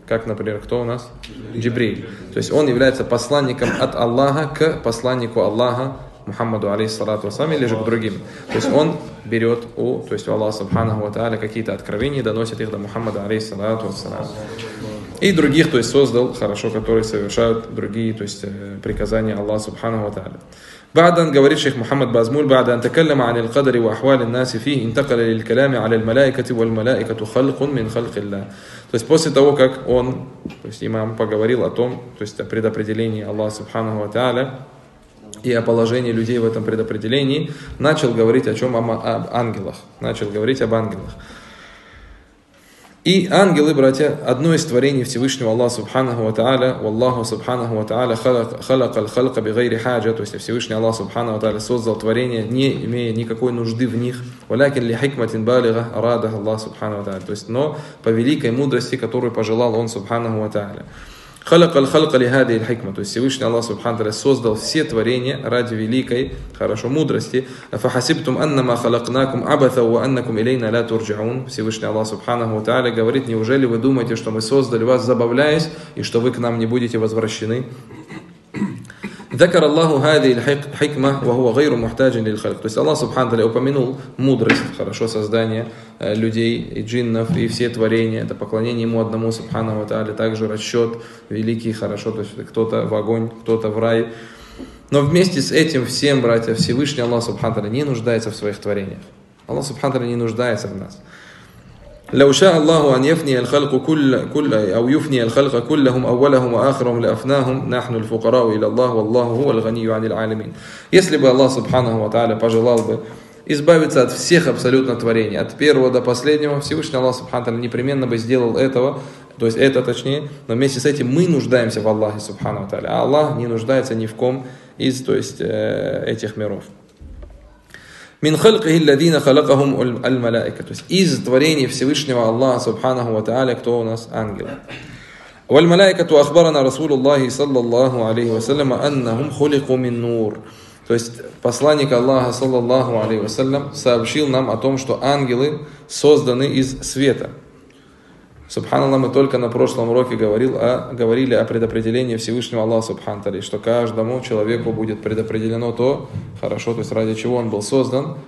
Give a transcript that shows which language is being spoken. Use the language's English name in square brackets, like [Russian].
[Russian] Как, например, кто у нас? Джибриль. То есть он является посланником от Аллаха к посланнику Аллаха, Мухаммаду, алейхиссалату вассалам, или же к другим. То есть он берет у Аллаха Субханаху ва Тааля какие-то откровения и доносит их до Мухаммада, алейхиссалату вассалам. И других, то есть создал, хорошо, которые совершают другие, то есть приказания Аллаха Субханаху ва Тааля. [Arabic] بعد أن говорит شيخ محمد بازمول بعد أن تكلم عن القدر وأحوال الناس فيه انتقل للكلام على الملائكة والملائكة خلق من خلق الله. [Russian] То есть после того, как он, то есть имам, поговорил о том, то есть о предопределении Аллаха Субханаху ва Тааля и о положении людей в этом предопределении, начал говорить о чем? Об ангелах. Начал говорить об ангелах. И ангелы, братья, одно из творений Всевышнего Аллаха Субханаху ва Тааля, [Arabic] Аллаху Субханаху ва Тааля халака аль-халка бигайри хаджа, [Russian] то есть Всевышний Аллах Субханаху ва Тааля создал творение, не имея никакой нужды в них, [Arabic] валякин ли хикматин балига арада Аллах [Russian] Субханаху ва Тааля, то есть но по великой мудрости, которую пожелал он Субханаху ва Тааля. [Arabic] خلق الخلق لهذه الحكمة. [Russian] То есть Всевышний Аллах Субханаху ва Тааля создал все творения ради великой, хорошо, мудрости. [Arabic] فحسبتم أنما خلقناكم عبثا وأنكم إلينا لا ترجعون. [Russian] Всевышний Аллах Субханаху ва Тааля говорит: неужели вы думаете, что мы создали вас забавляясь и что вы к нам не будете возвращены? [Arabic] ذكر الله هذه الحكمة وهو غير محتاج للخلق. [Russian] То есть Аллах Субханаху ва Тааля упомянул мудрость, хорошо, создание людей и джиннов и все творения, это поклонение ему одному Субханаху ва Тааля, также расчет великий, хорошо, то есть кто-то в огонь, кто-то в рай. Но вместе с этим всем, братья, Всевышний Аллах Субханаху ва Тааля не нуждается в своих творениях. Аллах Субханаху ва Тааля не нуждается в нас. [Arabic] لو شاء الله أن يفني الخلق كل أو يفني الخلق كلهم أولهم وآخرهم لأفناهم نحن الفقراء إلى الله والله هو الغني عن العالمين. [Russian] Если бы Аллах Субханаху ва Тааля пожелал бы избавиться от всех абсолютно творений, от первого до последнего, Всевышний Аллах Субханаху ва Тааля непременно бы сделал этого, то есть это точнее, но вместе с этим мы нуждаемся в Аллахе Субханаху ва Тааля, а Аллах не нуждается ни в ком из, то есть, этих миров. [Arabic] من خلقه الذين خلقهم الملائكة. [Russian] То есть из творений Всевышнего Аллаха Субханаху ва Тааля, кто у нас? Ангелы. [Arabic] والملائكة أخبرنا رسول الله صلى الله عليه وسلم أنهم خلقوا من نور. [Russian] То есть посланник Аллаха [Arabic] صلى الله عليه وسلم [Russian] сообщил нам о том, что ангелы созданы из света. Субханаллах, мы только на прошлом уроке говорили о предопределении Всевышнего Аллаха Субхану Тааля, что каждому человеку будет предопределено то, хорошо, то есть ради чего он был создан.